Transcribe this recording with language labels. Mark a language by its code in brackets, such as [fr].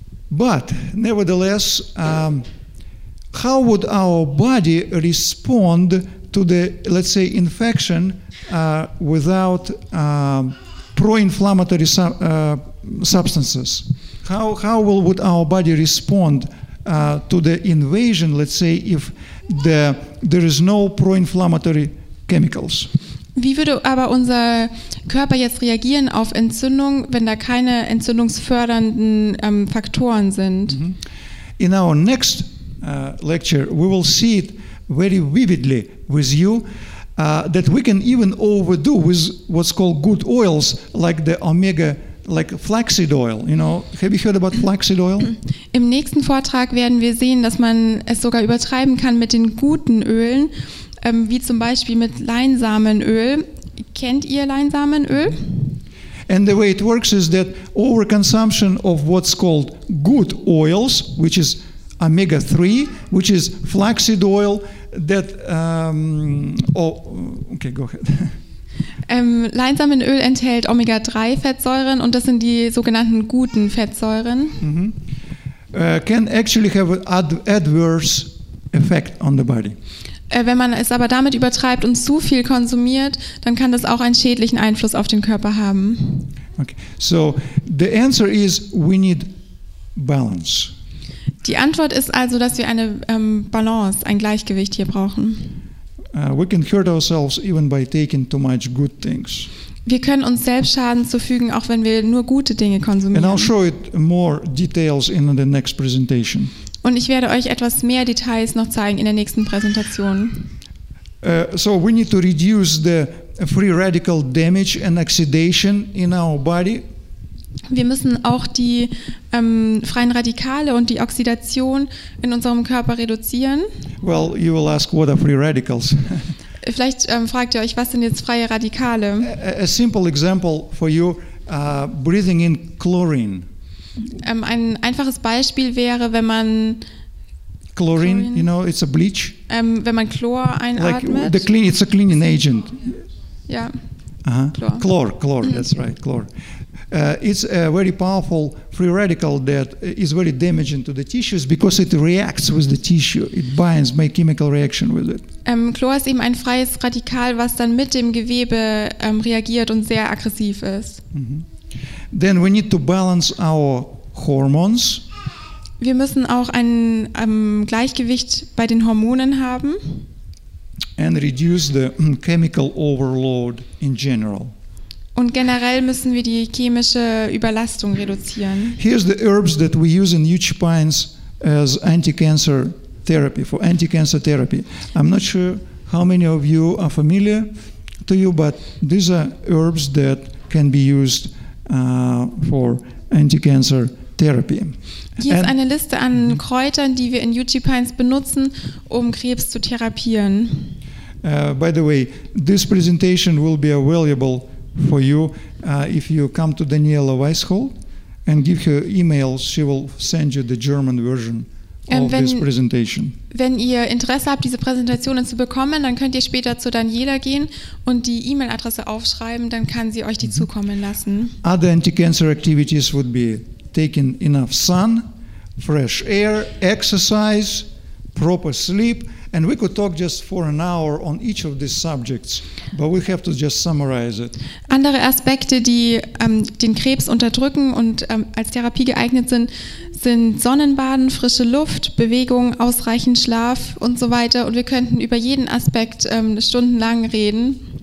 [en] But nevertheless, how would our body respond to the, let's say, infection without pro-inflammatory substances? How would our body respond to the invasion, let's say, if there is no pro-inflammatory chemicals? [de] Wie würde aber unser Körper jetzt reagieren auf Entzündung, wenn da keine entzündungsfördernden Faktoren sind? Mm-hmm. [en] In our next lecture, we will see it very vividly with you, that we can even overdo with what's called good oils, like the omega, like flaxseed oil. You know, have you heard about flaxseed oil? [de] Im nächsten Vortrag werden wir sehen, dass man es sogar übertreiben kann mit den guten Ölen, wie zum Beispiel mit Leinsamenöl. Kennt ihr Leinsamenöl? [en] And the way it works is that overconsumption of what's called good oils, which is omega-3, which is flaxseed oil, that go ahead. [de] Leinsamenöl enthält Omega-3-Fettsäuren und das sind die sogenannten guten Fettsäuren. Mm-hmm. [en] Can actually have an adverse effect on the body. [de] Wenn man es aber damit übertreibt und zu viel konsumiert, dann kann das auch einen schädlichen Einfluss auf den Körper haben. Okay. [en] So the answer is we need balance. [de] Die Antwort ist also, dass wir eine Balance, ein Gleichgewicht hier brauchen. [en] We can hurt ourselves even by taking too much good things. [de] Wir können uns selbst Schaden zufügen, auch wenn wir nur gute Dinge konsumieren. [en] And I'll show it more details in the next presentation. [de] Und ich werde euch etwas mehr Details noch zeigen in der nächsten Präsentation. [en] So we need to reduce the free radical damage and oxidation in our body. [de] Wir müssen auch die freien Radikale und die Oxidation in unserem Körper reduzieren. [en] Well, you will ask, what are free radicals? [de] Vielleicht fragt ihr euch, was sind jetzt freie Radikale? [en] A simple example for you, breathing in chlorine. [de] Ein einfaches Beispiel wäre, wenn man [en] Chlorine, you know, it's a bleach. [de] Wenn man Chlor einatmet. [en] Like the clean, it's a cleaning agent. Ja. Chlor, that's right, chlor. It's a very powerful free radical that is very damaging to the tissues because it reacts with the tissue. It binds, make chemical reaction with it. [de] Chlor ist eben ein freies Radikal, was dann mit dem Gewebe reagiert und sehr aggressiv ist. [en] Then we need to balance our hormones. [de] Wir müssen auch ein Gleichgewicht bei den Hormonen haben. [en] And reduce the chemical overload in general. [de] Und generell müssen wir die chemische Überlastung reduzieren. [en] Here's the herbs that we use in huge pines as anti-cancer therapy, for anti-cancer therapy. I'm not sure how many of you are familiar to you, but these are herbs that can be used for anti-cancer therapy. [de] Hier ist eine Liste an Kräutern, die wir in Yuchi Pines benutzen, um Krebs zu therapieren. [en] By the way, this presentation will be available for you if you come to Daniela Weisshold and give her emails. She will send you the German version of this presentation. [de] Wenn ihr Interesse habt, diese Präsentationen zu bekommen, dann könnt ihr später zu Daniela gehen und die E-Mail-Adresse aufschreiben, dann kann sie euch die zukommen lassen. [en] Other anti-cancer activities would be taking enough sun, fresh air, exercise, proper sleep, and we could talk just for an hour on each of these subjects, but we have to just summarize it. [de] Andere Aspekte, die den Krebs unterdrücken und als Therapie geeignet sind, sind Sonnenbaden, frische Luft, Bewegung, ausreichend Schlaf und so weiter, und wir könnten über jeden Aspekt stundenlang reden.